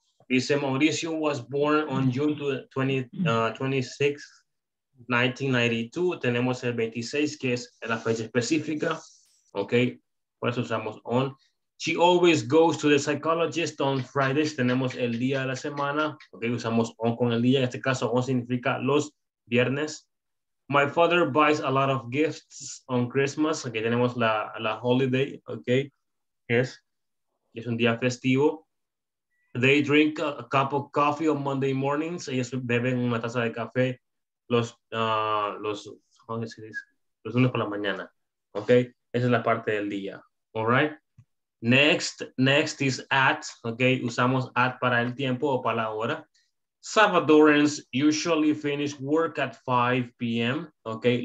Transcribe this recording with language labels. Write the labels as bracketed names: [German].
[English] Dice Mauricio was born on June 26, 1992. [Spanish] Tenemos el 26, que es la fecha específica. Okay. Por eso usamos on. [English] She always goes to the psychologist on Fridays. [Spanish] Tenemos el día de la semana. Okay, usamos on con el día. En este caso, on significa los viernes. [English] My father buys a lot of gifts on Christmas. Okay, [Spanish] tenemos la holiday. Okay, yes. Es un día festivo. [English] They drink a cup of coffee on Monday mornings. [Spanish] Ellos beben una taza de café los lunes por la mañana. Okay, esa es la parte del día. [English] All right. Next is at. [Spanish] Okay. Usamos at para el tiempo o para la hora. [English] Salvadorans usually finish work at 5 p.m. [Spanish] Okay.